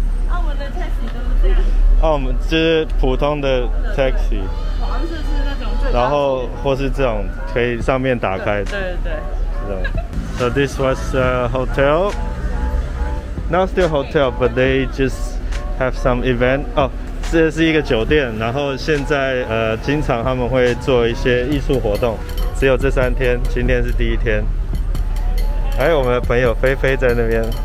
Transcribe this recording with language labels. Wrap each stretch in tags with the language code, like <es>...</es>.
<zh>澳门的 taxi 都是这样。澳门就是普通的 taxi。黄色是那种最大的。然后或是这种可以上面打开。对对对。</zh> <en>So this was a hotel. Not still hotel, but they just have some event.</en> <zh>Oh, 这是一个酒店，然后现在经常他们会做一些艺术活动。只有这三天，今天是第一天。哎，我们的朋友菲菲在那边。</zh>